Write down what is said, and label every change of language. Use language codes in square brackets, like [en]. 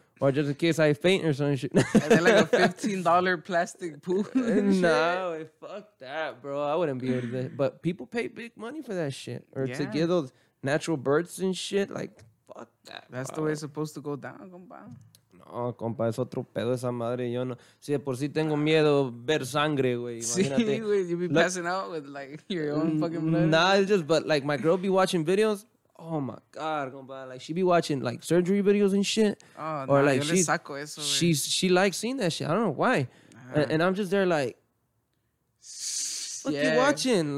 [en] Or just in case I faint or some shit. And then, like, a $15 plastic pool. No, fuck that, bro. I wouldn't be able to. But people pay big money for that shit. Or yeah, to give those natural births and shit, like. That's the way it's supposed to go down, compa. [es] No, compa, es otro pedo esa madre. Yo no. Si de por sí tengo miedo ver sangre, güey. Sí, güey, [en] you be passing out with, like, your own fucking blood. Nah, it's just, but, like, my girl be watching videos. Oh, my God, compa. Like, she be watching, like, surgery videos and shit. [es] Oh, no, nah, like, yo le saco eso, güey. [en] She likes seeing that shit. I don't know why. Uh-huh. And I'm just there, like, what you watching?